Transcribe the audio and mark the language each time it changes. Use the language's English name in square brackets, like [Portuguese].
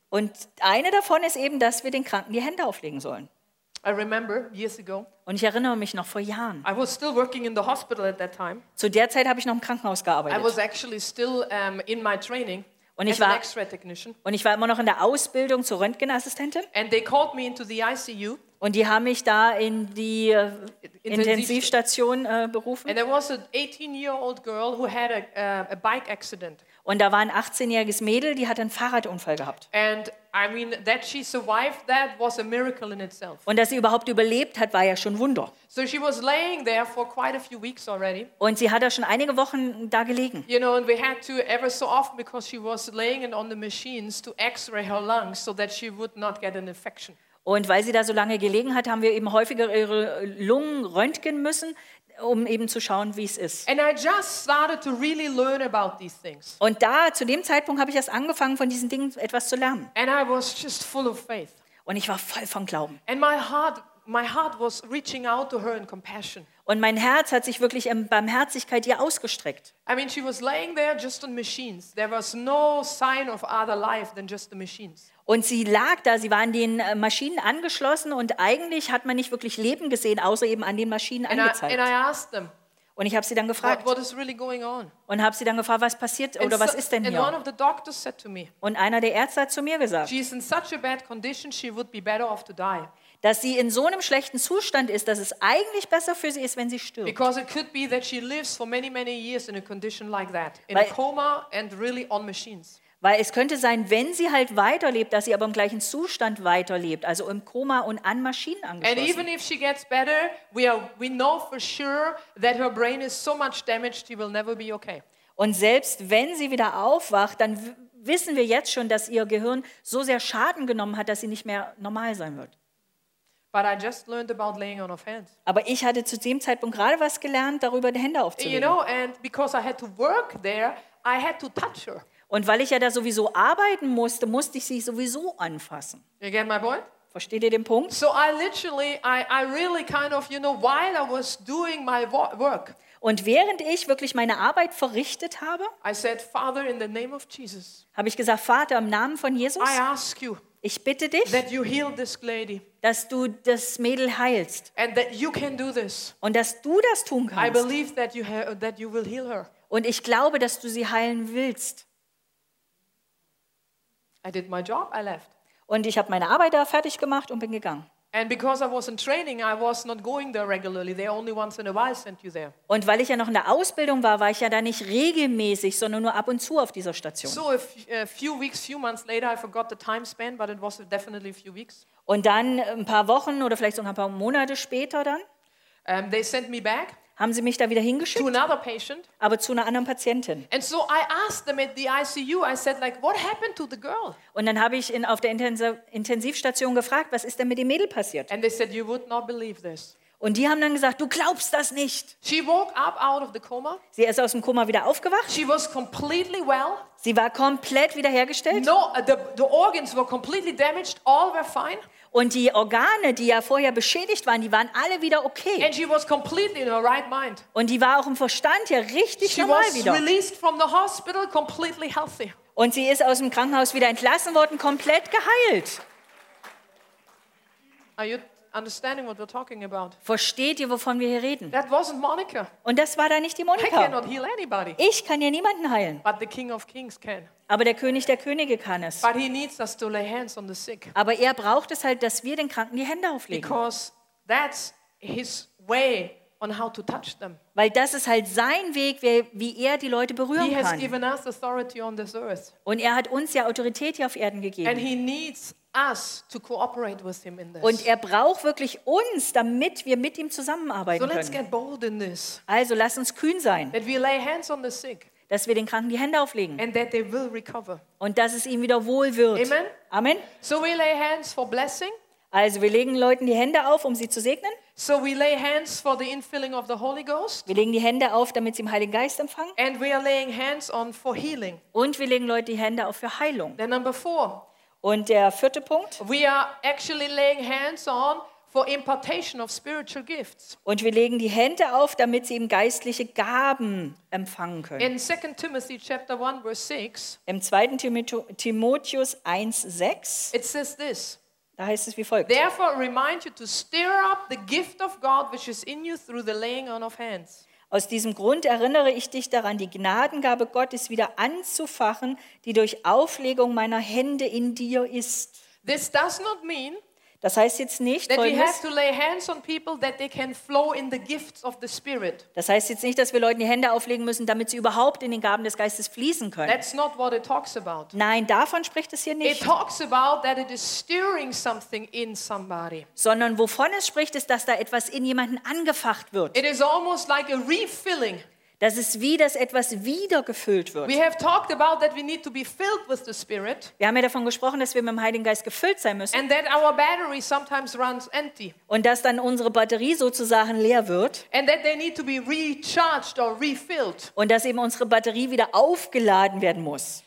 [German] Und eine davon ist eben, dass wir den Kranken die Hände auflegen sollen. [English] I remember years ago. [German] Und ich erinnere mich noch vor Jahren. [English] I was still working in the hospital at that time. [German] Zu der Zeit habe ich noch im Krankenhaus gearbeitet. [English] I was actually still in my training. [German] Und ich war immer noch in der Ausbildung zur Röntgenassistentin. [English] And they called me into the ICU. [German] Und die haben mich da in die Intensivstation berufen. [English] And there was an 18-year-old girl who had a bike accident. [German] Und da war ein 18-jähriges Mädel, die hat einen Fahrradunfall gehabt. [English] And I mean that she survived that was a miracle in itself. [German] Und dass sie überhaupt überlebt hat, war ja schon Wunder. [English] So she was laying there for quite a few weeks already. [German] Und sie hat da schon einige Wochen da gelegen. [English] You know, and we had to ever so often because she was laying on the machines to x-ray her lungs so that she would not get an infection. [German] Und weil sie da so lange gelegen hat, haben wir eben häufiger ihre Lungen röntgen müssen, um eben zu schauen, wie es ist. [English] And I just started to really learn about these things. [German] Und da, zu dem Zeitpunkt, habe ich erst angefangen, von diesen Dingen etwas zu lernen. [English] And I was just full of faith. [German] Und ich war voll von Glauben. [English] And my heart was reaching out to her in compassion. [German] Und mein Herz hat sich wirklich in Barmherzigkeit ihr ausgestreckt. [English] I mean, she was laying there just on machines. There was no sign of other life than just the machines. [German] Und sie lag da, sie war an den Maschinen angeschlossen und eigentlich hat man nicht wirklich Leben gesehen, außer eben an den Maschinen angezeigt. [English] And I asked them, [German] und ich habe sie dann gefragt, [English] what is really going on? [German] Und habe sie dann gefragt, was passiert [English] and [German] oder was ist denn [English] and [German] hier? [English] One of the doctors said to me, [German] und einer der Ärzte hat zu mir gesagt, [English] she is in such a bad condition, she would be better off to die. [German] Dass sie in so einem schlechten Zustand ist, dass es eigentlich besser für sie ist, wenn sie stirbt. [English] Because it could be that she lives for many, many years in a condition like that, in a coma and really on machines. [German] Weil es könnte sein, wenn sie halt weiterlebt, dass sie aber im gleichen Zustand weiterlebt, also im Koma und an Maschinen angeschlossen. [English] And even if she gets better, we know for sure that her brain is so much damaged, she will never be okay. [German] Und selbst wenn sie wieder aufwacht, dann wissen wir jetzt schon, dass ihr Gehirn so sehr Schaden genommen hat, dass sie nicht mehr normal sein wird. [English] But I just learned about laying on of hands. [German] Aber ich hatte zu dem Zeitpunkt gerade was gelernt, darüber die Hände aufzulegen. [English] You know, and because I had to work there, I had to touch her. [German] Und weil ich ja da sowieso arbeiten musste, musste ich sie sowieso anfassen. [English] You get my point? [German] Versteht ihr den Punkt? [English] So I literally, I really kind of, you know, while I was doing my work. [German] Und während ich wirklich meine Arbeit verrichtet habe, [English] I said, Father, in the name of Jesus. [German] Habe ich gesagt, Vater, im Namen von Jesus. [English] I ask you. [German] Ich bitte dich, [English] that you heal this lady. [German] Dass du das Mädel heilst. [English] And that you can do this. [German] Und dass du das tun kannst. [English] I believe that you that you will heal her. [German] Und ich glaube, dass du sie heilen willst. [English] I did my job, I left. [German] Und ich habe meine Arbeit da fertig gemacht und bin gegangen. [English] And because I was in training, I was not going there regularly. They only once in a while sent you there. [German] Und weil ich ja noch in der Ausbildung war, war ich ja da nicht regelmäßig, sondern nur ab und zu auf dieser Station. [English] So a few months later I forgot the time span, but it was definitely a few weeks. [German] Und dann ein paar Wochen oder vielleicht sogar ein paar Monate später dann? [English] They sent me back. [German] Haben sie mich da wieder hingeschickt? [English] To another patient. [German] Aber zu einer anderen Patientin. [English] And so I asked them at the ICU, I said like, what happened to the girl? [German] Und dann habe ich ihn auf der Intensivstation gefragt, was ist denn mit dem Mädel passiert? [English] And they said, you would not believe this. [German] Und die haben dann gesagt, du glaubst das nicht. [English] She woke up out of the coma. [German] Sie ist aus dem Koma wieder aufgewacht. [English] She was completely well. [German] Sie war komplett wiederhergestellt. [English] No, the organs were completely damaged, all were fine. [German] Und die Organe, die ja vorher beschädigt waren, die waren alle wieder okay. [English] And she was completely in her right mind. [German] Und die war auch im Verstand ja richtig [English] she [German] normal [English] was [German] wieder. [English] Released from the hospital, completely healthy. [German] Und sie ist aus dem Krankenhaus wieder entlassen worden, komplett geheilt. [English] Are you understanding what we're talking about? [German] Versteht ihr, wovon wir hier reden? [English] That wasn't Monica. [German] Und das war da nicht die Monika. [English] I cannot heal anybody. [German] Ich kann ja niemanden heilen. [English] But the King of Kings can. [German] Aber der König der Könige kann es. [English] But he needs us to lay hands on the sick. [German] Aber er braucht es halt, dass wir den Kranken die Hände auflegen. [English] Because that's his way on how to touch them. [German] Weil das ist halt sein Weg, wie er die Leute berühren [English] he [German] kann. [English] Has given us authority on this earth. [German] Und er hat uns ja Autorität hier auf Erden gegeben. [English] And he needs us to cooperate with him in this. [German] Und er braucht wirklich uns, damit wir mit ihm zusammenarbeiten [English] so let's [German] können. [English] Get bold in this. [German] Also lass uns kühn sein. [English] That we lay hands on the sick. [German] Dass wir den Kranken die Hände auflegen. [English] And that they will recover. [German] Und dass es ihm wieder wohl wird. [English] Amen. [German] Amen. [English] So we lay hands for blessing. [German] Also wir legen Leuten die Hände auf, um sie zu segnen. [English] So we lay hands for the infilling of the Holy Ghost. [German] Wir legen die Hände auf, damit sie im Heiligen Geist empfangen. [English] And we are laying hands on for healing. [German] Und wir legen Leuten die Hände auf für Heilung. [English] Then number four. [German] Und der vierte Punkt. [English] We are actually laying hands on for impartation of spiritual gifts. [German] Und wir legen die Hände auf, damit sie eben geistliche Gaben empfangen können. [English] In 2 Timothy chapter 1 verse 6. [German] Im 2. Timotheus 1:6. [English] It says this. [German] Da heißt es wie folgt. [English] Therefore remind you to stir up the gift of God which is in you through the laying on of hands. [German] Aus diesem Grund erinnere ich dich daran, die Gnadengabe Gottes wieder anzufachen, die durch Auflegung meiner Hände in dir ist. [English] This does not mean [German] das heißt jetzt nicht, [English] that we have to lay hands on people that they can flow in the gifts of the Spirit. [German] Das heißt jetzt nicht, dass wir Leuten die Hände auflegen müssen, damit sie überhaupt in den Gaben des Geistes fließen können. [English] That's not what it talks about. [German] Nein, davon spricht es hier nicht. [English] It talks about that it is stirring something in somebody. [German] Sondern wovon es spricht, ist, dass da etwas in jemanden angefacht wird. [English] It is almost like a refilling. [German] Das ist wie, dass etwas wieder gefüllt wird. [English] We have talked about that we need to be filled with the Spirit. [German] Wir haben ja davon gesprochen, dass wir mit dem Heiligen Geist gefüllt sein müssen. [English] And that our battery sometimes runs empty. [German] Und dass dann unsere Batterie sozusagen leer wird. [English] And that they need to be recharged or refilled. [German] Und dass eben unsere Batterie wieder aufgeladen werden muss.